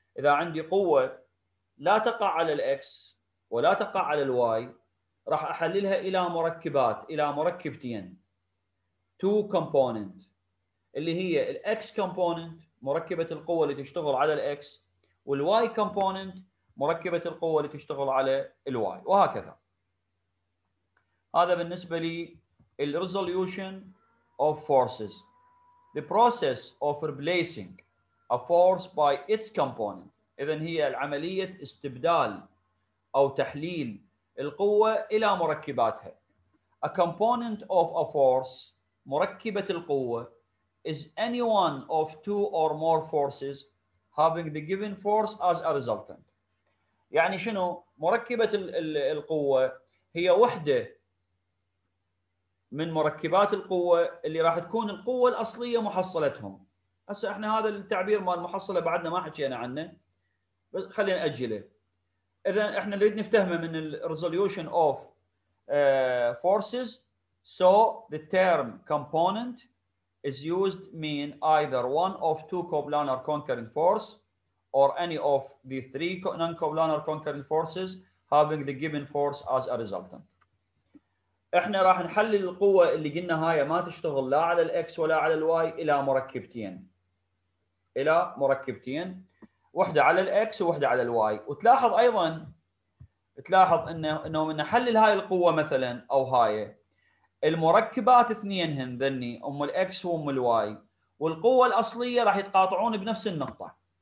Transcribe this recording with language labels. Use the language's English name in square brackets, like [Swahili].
[Arabic] إذا عندي قوة لا تقع على الإكس ولا تقع على الواي، راح أحللها إلى مركبات، إلى مركبتين، [English] two component، [Arabic] اللي هي الإكس component مركبة القوة اللي تشتغل على الإكس، والواي component مركبة القوة اللي تشتغل على الواي، وهكذا. هذا بالنسبة لي الـ resolution of forces. [English] The process of replacing a force by its component. [Arabic] إذن هي العملية استبدال أو تحليل القوة إلى مركباتها. [English] A component of a force, [Arabic] مركبة القوة, [English] is any one of two or more forces having the given force as a resultant. [Arabic] يعني شنو؟ مركبة القوة هي وحدة من مركبات القوة اللي راح تكون القوة الأصلية محصلتهم. هسه احنا هذا التعبير مال المحصلة بعدنا ما حكينا عنه، بس خلينا نأجله. إذا احنا نريد نفهمه من الـ resolution of forces. [English] So the term component is used mean either one of two coplanar concurrent force or any of the three non-coplanar concurrent forces having the given force as a resultant. [Arabic] احنا راح نحلل القوة اللي قلنا هاي ما تشتغل لا على الاكس ولا على الواي الى مركبتين، الى مركبتين، واحدة على الاكس وواحدة على الواي. وتلاحظ ايضا، تلاحظ انه من نحلل هاي القوة مثلا او هاي المركبات اثنين هن ذني، ام الاكس وام الواي، والقوة الاصلية راح يتقاطعون بنفس النقطة.